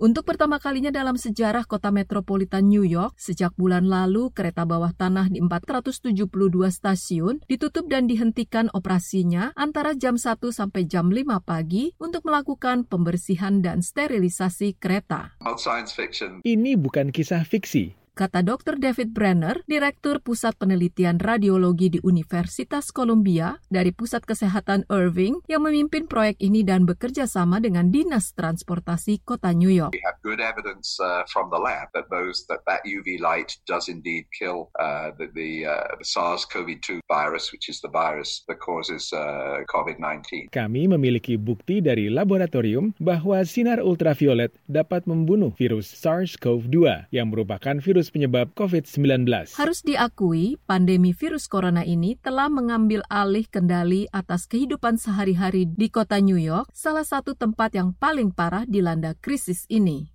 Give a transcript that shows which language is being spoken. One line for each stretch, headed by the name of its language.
Indonesian: Untuk pertama kalinya dalam sejarah kota metropolitan New York, sejak bulan lalu kereta bawah tanah di 472 stasiun ditutup dan dihentikan operasinya antara jam 1 sampai jam 5 pagi untuk melakukan pembersihan dan sterilisasi kereta. Ini bukan kisah fiksi, kata Dr. David Brenner, Direktur Pusat Penelitian Radiologi di Universitas Columbia dari Pusat Kesehatan Irving yang memimpin proyek ini dan bekerja sama dengan Dinas Transportasi Kota New York.
English: We have good evidence from the lab that those that UV light does indeed kill the SARS-CoV-2 virus, which is the virus that causes COVID-19.
Indonesian: Kami memiliki bukti dari laboratorium bahwa sinar ultraviolet dapat membunuh virus SARS-CoV-2 yang merupakan virus penyebab COVID-19. Harus diakui, pandemi virus corona ini telah mengambil alih kendali atas kehidupan sehari-hari di kota New York, salah satu tempat yang paling parah dilanda krisis ini.